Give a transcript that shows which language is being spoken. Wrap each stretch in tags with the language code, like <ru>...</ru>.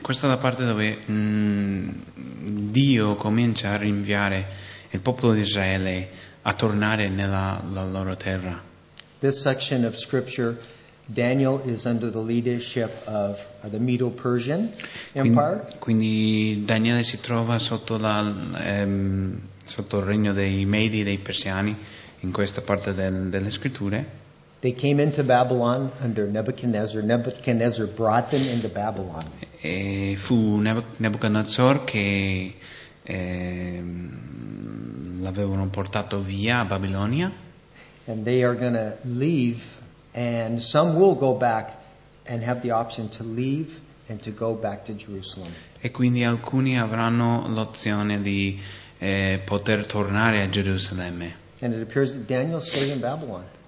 <it>Questa è la parte dove Dio comincia a rinviare il popolo di Israele a tornare nella la loro terra.</it> <en>This section of scripture, Daniel is under the leadership of the Medo-Persian Empire.</en> <it>Quindi Daniele si trova sotto sotto il regno dei Medi e dei Persiani in questa parte delle scritture.</it> <en>They came into Babylon under Nebuchadnezzar. Nebuchadnezzar brought them into Babylon.</en> <it>E fu Nebuchadnezzar che l'avevano portato via a Babilonia.</it> <en>And they are going to leave, and some will go back and have the option to leave and to go back to Jerusalem.</en> <it>E quindi alcuni avranno l'opzione di poter tornare a Gerusalemme.</it> <en>And it appears that Daniel stayed in Babylon.</en>